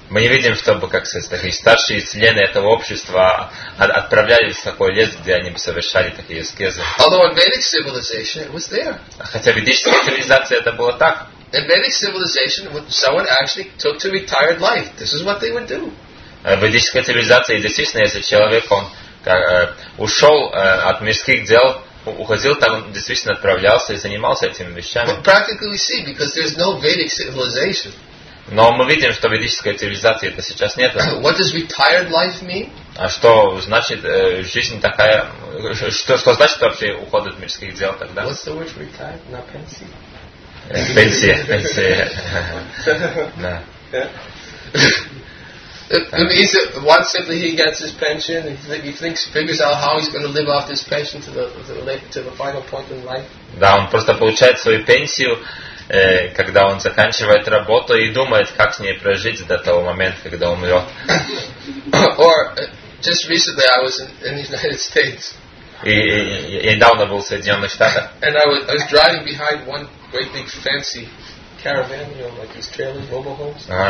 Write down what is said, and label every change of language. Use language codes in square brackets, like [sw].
[ru] Мы не видим, чтобы как такие старшие члены этого общества отправлялись в такой лес, где они бы совершали такие аскезы. [en] Although in Vedic civilization it was there. [ru] Хотя ведическая цивилизация это было так. [en] In Vedic civilization, when someone actually took to retired life, this is what they would do. [ru] Ведическая цивилизация действительно, если человек он ушел от мирских дел. Уходил там, действительно отправлялся и занимался этими вещами. [en] But practically we see, because there's no Vedic civilization. [ru] Но мы видим, что ведической цивилизации это сейчас нет. [en] What does retired life mean? [ru] А что значит жизнь такая? Что значит вообще уход от мирских дел тогда? [en] What's the word retired? [ru] На пенсии. Пенсия. [en] It means that once simply he gets his pension, figures out how he's going to live off this pension to the final point in life. [ru] Да, он просто получает свою пенсию, когда он заканчивает работу и думает, как с ней прожить до того момента, когда умрет. [en] Or just recently I was in the United States. [ru] И недавно был в Соединенных Штатах. [en] And I was driving behind one great big fancy caravan, you know, like these trailers, mobile homes.